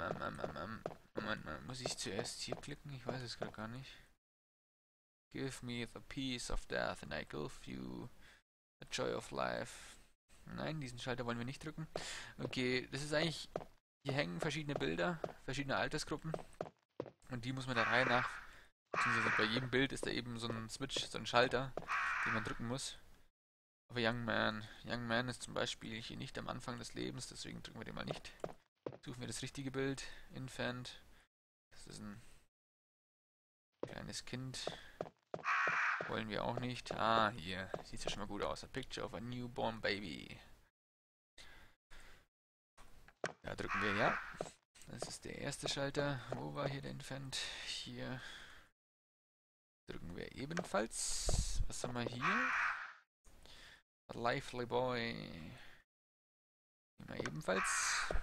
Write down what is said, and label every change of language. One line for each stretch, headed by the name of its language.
German: Moment mal, muss ich zuerst hier klicken? Ich weiß es gerade gar nicht.
English: Give me the peace of death and I give you the joy of life.
German: Nein, diesen Schalter wollen wir nicht drücken. Okay, das ist eigentlich... Hier hängen verschiedene Bilder, verschiedene Altersgruppen. Und die muss man der Reihe nach... Beziehungsweise bei jedem Bild ist da eben so ein Switch, so ein Schalter, den man drücken muss. Aber Young Man. Young Man ist zum Beispiel hier nicht am Anfang des Lebens, deswegen drücken wir den mal nicht. Suchen wir das richtige Bild. Infant. Das ist ein... kleines Kind. Wollen wir auch nicht. Ah, hier. Sieht ja schon mal gut aus.
English: A picture of a newborn baby.
German: Da drücken wir ja. Das ist der erste Schalter. Wo war hier der Infant? Hier. Drücken wir ebenfalls. Was haben wir hier?
English: A lively boy.
German: Nehmen wir ebenfalls.